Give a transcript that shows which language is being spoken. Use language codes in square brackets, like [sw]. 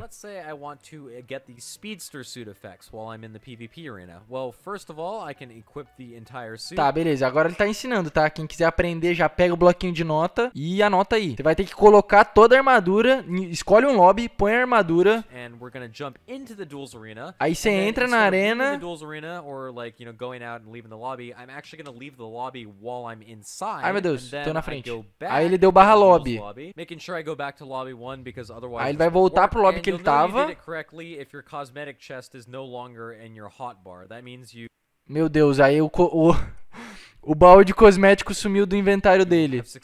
[en] Let's say I want to get the speedster suit effects while I'm in the PvP arena. Well, first of all, I can equip the entire suit. [pt] Tá, beleza. Agora ele tá ensinando, tá? Quem quiser aprender, já pega o bloquinho de nota e anota aí. Você vai ter que colocar toda a armadura, escolhe um lobby, põe a armadura. [en] And we're gonna jump into the duels arena. [pt] Aí você entra na arena. [en] The duels arena or like, you know, going out and leaving the lobby. I'm actually gonna leave the lobby while I'm inside. [pt] Ai, meu Deus, tô na frente. Aí ele deu barra lobby. [en] Making sure I go back to lobby one because otherwise. [pt] Aí ele vai voltar pro lobby que ele tava. [en] If your cosmetic chest is no longer in your hotbar, that means you... [pt] Meu Deus, aí o baú de cosmético sumiu do inventário dele.